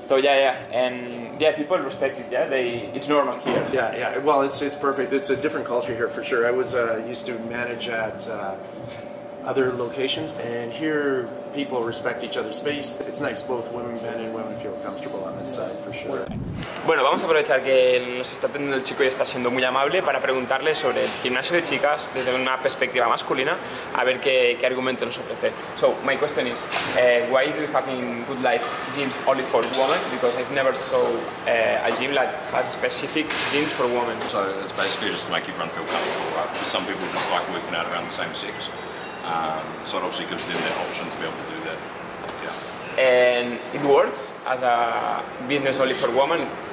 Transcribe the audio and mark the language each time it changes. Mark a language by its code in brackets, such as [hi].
[en] So yeah. And yeah, people respect it, yeah? It's normal here. Yeah. Well, it's perfect. It's a different culture here, for sure. I was used to manage at other locations, and here people respect each other's space. It's nice, both women, men, and women feel comfortable on this side, for sure. [es] Bueno, vamos a aprovechar que nos está atendiendo el chico y está siendo muy amable para preguntarle sobre el gimnasio de chicas desde una perspectiva masculina, a ver qué argumento nos ofrece. [en] So, my question is, why do you have in Good Life gyms only for women? Because I've never saw a gym that has specific gyms for women. So, it's basically just to make everyone feel comfortable, right? Some people just like working out around the same sex. So it obviously gives them the option to be able to do that. Yeah. And it works as a business only for women?